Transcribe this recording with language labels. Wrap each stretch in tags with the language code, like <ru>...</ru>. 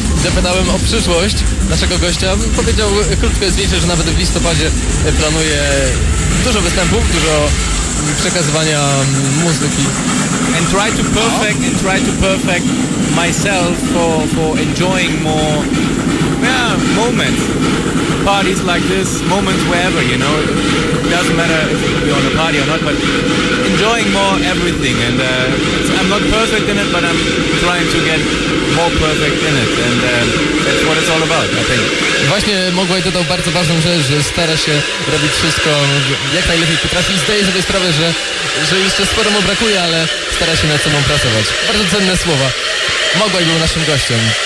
<pl>Zapytałem o przyszłość naszego gościa. Powiedział krótko jest więcej, że nawet w listopadzie planuje dużo występów, dużo przekazywania muzyki.</pl> <en>And try to perfect myself for enjoying more moments. Parties like this, moments wherever, you know. It doesn't matter if you're on a party or not, but enjoying more everything. And I'm not perfect in it, but I'm trying to get more perfect in it. And that's what it's all about, I think.</en> <pl>Właśnie Mogwaj dodał bardzo ważną rzecz, że stara się robić wszystko jak najlepiej potrafi. Zdaje sobie sprawę, że jeszcze sporo mu brakuje, ale stara się nad sobą pracować. Bardzo cenne słowa. Mogwaj był naszym gościem.</pl>